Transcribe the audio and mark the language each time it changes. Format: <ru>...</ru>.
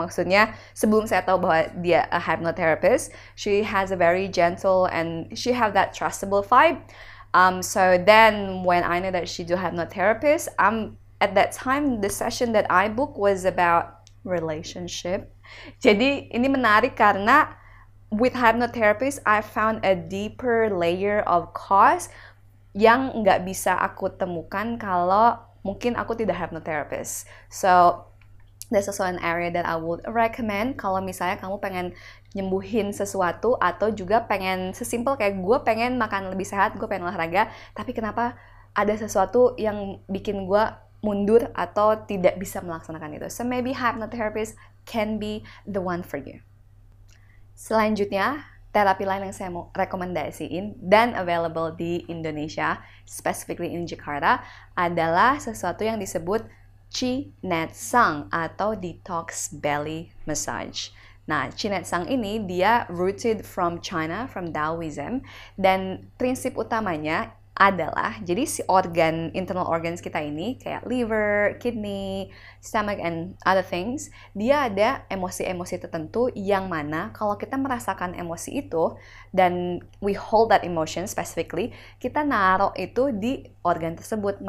<id>Maksudnya sebelum saya tahu bahwa dia</id> <en>a hypnotherapist, she has a very gentle and she have that trustable vibe. So then when I know that she do have no therapist, at that time the session that I book was about relationship.</en> <id>Jadi ini menarik karena</id> <en>with hypnotherapist I found a deeper layer of cause</en> <id>yang enggak bisa aku temukan kalau mungkin aku tidak</id> <en>have no therapist. So that's also an area that I would recommend</en> <id>kalau misalnya kamu pengen nyembuhin sesuatu atau juga pengen sesimpel kayak gue pengen makan lebih sehat, gue pengen olahraga, tapi kenapa ada sesuatu yang bikin gue mundur atau tidak bisa melaksanakan itu.</id> <en>So maybe hypnotherapist can be the one for you.</en> <id>Selanjutnya, terapi lain yang saya mau rekomendasiin dan available di Indonesia,</id> <en>specifically in Jakarta,</en> <id>adalah sesuatu yang disebut Qi Net Sang atau Detox Belly Massage. Nah, Qi Net Sang ini dia</id> <en>rooted from China, from Taoism,</en> <id>dan prinsip utamanya adalah, jadi si organ, internal organs kita ini, kayak liver, kidney, stomach,</id> <en>and other things,</en> <id>dia ada emosi-emosi tertentu yang mana kalau kita merasakan emosi itu, dan</id> <en>we hold that emotion specifically,</en> <id>kita naruh itu di organ tersebut.</id>